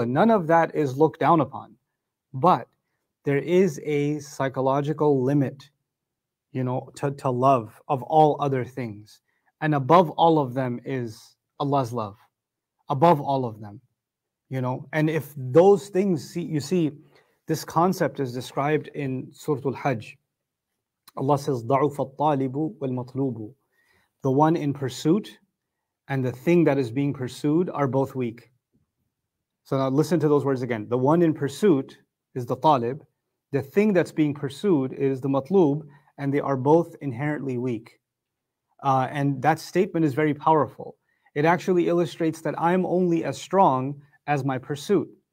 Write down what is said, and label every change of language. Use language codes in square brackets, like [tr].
[en] And none of that is looked down upon. But there is a psychological limit, you know, to love of all other things. And above all of them is Allah's love. Above all of them. You know, and if those things, you see, this concept is described in Surah Al-Hajj. Allah says, [ar] ضَعُفَ الطَّالِبُ وَالْمَطْلُوبُ. [en] The one in pursuit and the thing that is being pursued are both weak. So now listen to those words again. The one in pursuit is the talib. The thing that's being pursued is the matlub, and they are both inherently weak. And that statement is very powerful. It actually illustrates that I'm only as strong as my pursuit.